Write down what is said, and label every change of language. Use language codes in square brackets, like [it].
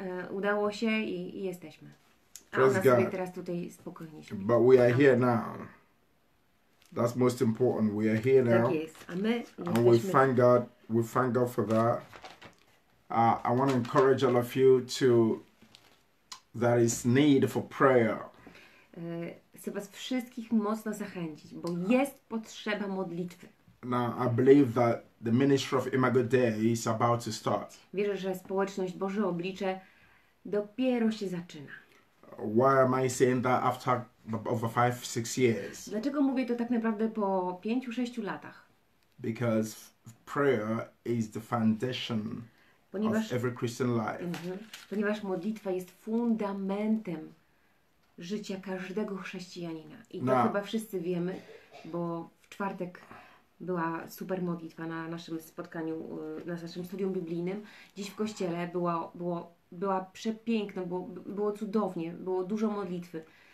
[pl] Udało się i jesteśmy. A ona sobie teraz tutaj spokojnie się. [en] But we are here now. That's most important. We are here now. [pl] Tak jest. A my jesteśmy. [en] And we thank God for that. I want to encourage all of you to there is need for prayer. [pl] Chcę was wszystkich mocno zachęcić, bo jest potrzeba modlitwy. [en] Now I believe that the ministry of Imago Dei is about to start. [pl] Wierzę, że społeczność Boże Oblicze dopiero się zaczyna. [en] Why am I saying that after over 5-6 years? [pl] Dlaczego mówię to tak naprawdę po 5-6 latach? [en] Because prayer is the foundation of every Christian life. [pl] Ponieważ modlitwa jest fundamentem życia każdego chrześcijanina. I to chyba wszyscy wiemy, bo w czwartek była super modlitwa na naszym spotkaniu, na naszym studium biblijnym. Dziś w kościele była przepiękna, było cudownie, było dużo modlitwy.